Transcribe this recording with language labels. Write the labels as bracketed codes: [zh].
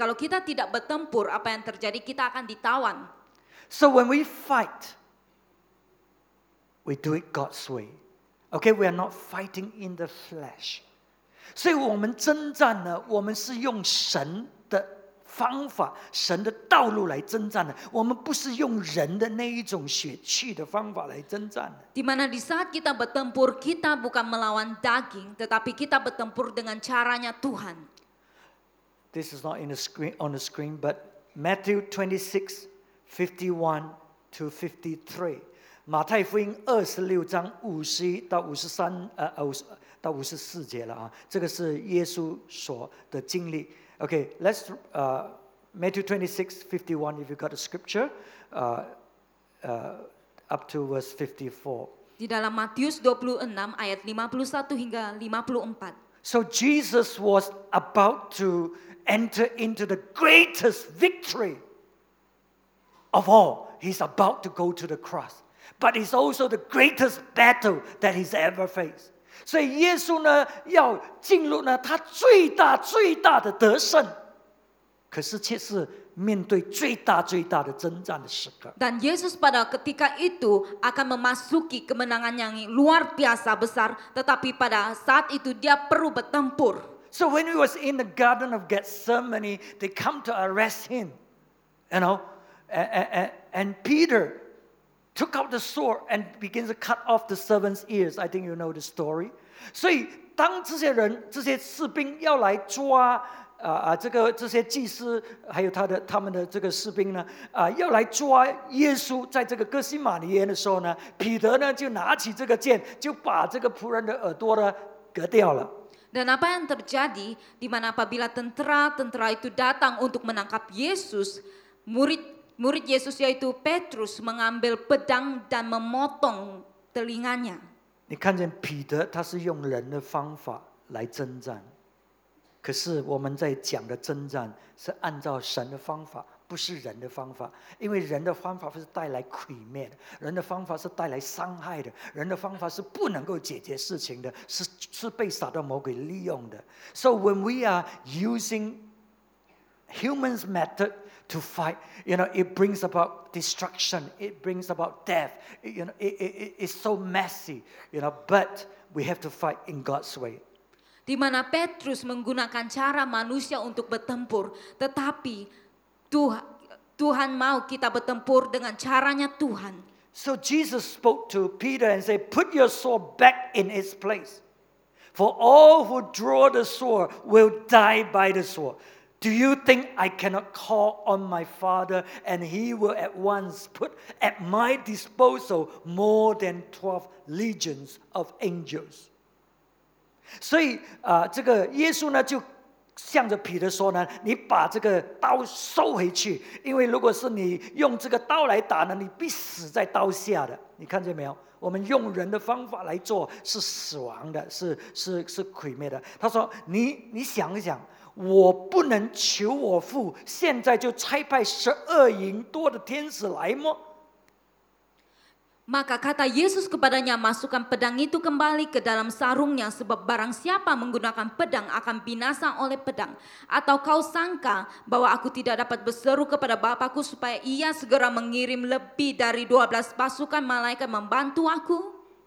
[id] Kalau kita tidak bertempur, apa yang terjadi? Kita akan ditawan. [en] So when we fight, we do it God's way. Okay, we are not fighting in the flesh. [zh] 所以我们征战呢，我们是用神 方法，神的道路来征战的，我们不是用人的那一种血气的方法来征战的。 [id] Di mana di saat kita bertempur, kita bukan melawan daging, tetapi kita bertempur dengan caranya Tuhan. [en] This is not on the screen, but Matthew 26:51 to 53. [zh] 马太福音二十六章五十一到五十三到五十四节了啊，这个是耶稣所的经历。 [en] Okay, let's Matthew 26:51. If you got the scripture, up to verse 54. [id] Di dalam Matius 26 ayat 51 hingga 54. [en] So Jesus was about to enter into the greatest victory of all. He's about to go to the cross, but it's also the greatest battle that he's ever faced. [zh] 所以耶稣呢要进入呢他最大最大的得胜，可是却是面对最大最大的征战的时刻。 [id] Dan Yesus pada ketika itu akan memasuki kemenangan yang luar biasa besar, tetapi pada saat itu dia perlu bertempur. [en] So when he was in the Garden of Gethsemane, they come to arrest him, you know, and Peter. Took out the sword and began to cut off the servant's ears. I think you know the story. [zh] 所以当这些人、这些士兵要来抓这个这些祭司，还有他们的这个士兵呢，要来抓耶稣，在这个哥西马尼园的时候呢，彼得呢就拿起这个剑，就把这个仆人的耳朵呢割掉了。 [id] Dan apa yang terjadi di mana apabila tentara itu datang untuk menangkap Yesus, murid Yesus yaitu Petrus mengambil pedang dan memotong telinganya. [zh] 你看见彼得他是用人的方法来征战，可是我们在讲的征战是按照神的方法，不是人的方法。因为人的方法是带来毁灭的，人的方法是带来伤害的，人的方法是不能够解决事情的，是被撒旦魔鬼利用的。 [en] So when we are using human's method. To fight, you know, it brings about destruction. It brings about death. You know, it's so messy. You know, but we have to fight in God's way. [id] Di mana Petrus menggunakan cara manusia untuk bertempur, tetapi Tuhan mau kita bertempur dengan caranya Tuhan. [en] So Jesus spoke to Peter and said, "Put your sword back in its place, for all who draw the sword will die by the sword." Do you think I cannot call on my Father and he will at once put at my disposal more than 12 legions of angels? [zh] 所以这个耶稣呢就向着彼得说呢，你把这个刀收回去，因为如果是你用这个刀来打呢，你必死在刀下的。你看见没有？我们用人的方法来做是死亡的，是毁灭的。他说你想一想，我不能求我父现在就差派十二营多的天使来吗？ [id] Maka kata Yesus kepadanya, masukkan pedang itu kembali ke dalam sarungnya, sebab barang siapa menggunakan pedang akan binasa oleh pedang. Atau kau sangka bahwa aku tidak dapat berseru kepada Bapakku supaya ia segera mengirim lebih dari 12 pasukan malaikat membantu aku?